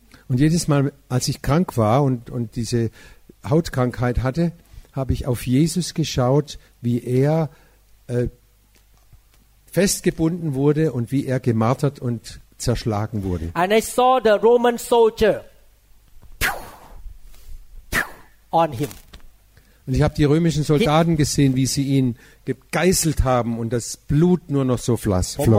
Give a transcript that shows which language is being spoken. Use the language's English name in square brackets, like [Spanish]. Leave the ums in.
[German] jedes Mal, als ich krank war und, und diese Hautkrankheit hatte, habe ich auf Jesus geschaut, wie er äh, festgebunden wurde und wie er gemartert und zerschlagen wurde. [English] And I saw the Roman soldier on him. [German] Und ich habe die römischen Soldaten gesehen, wie sie ihn gegeißelt haben und das Blut nur noch so floss.